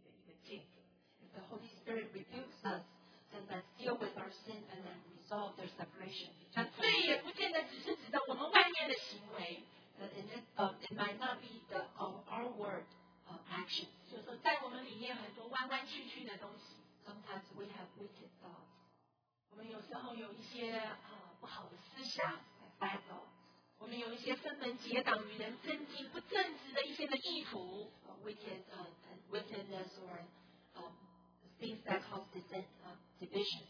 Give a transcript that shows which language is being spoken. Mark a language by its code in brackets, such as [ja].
[en] If the Holy Spirit rebukes us, then let's deal with our sin and then resolve their separation. [zh] 那罪也不见得只是指的我们外面的行为。 [en] But it might not be the our word action. [zh] 就是说，在我们里面很多弯弯曲曲的东西。 [en] Sometimes we have wicked thoughts. [zh] 我们有时候有一些不好的思想。 [en] Bad thoughts. [zh] 我们有一些分门结党与人争竞不正直的一些的意图。 [en] Wickedness or things that cause dissent, division.